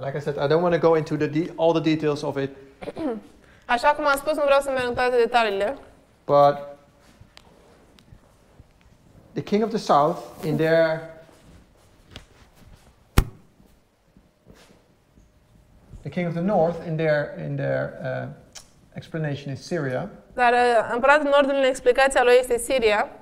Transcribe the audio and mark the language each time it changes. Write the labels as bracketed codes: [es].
[en] Like I said, I don't want to go into all the details of it. [ro] Așa cum am spus, nu vreau să merg în toate detaliile. [en] But the king of the south in their the king of the north in their explanation is Syria. [ro] Dar împăratul nordului în explicația lui este Siria.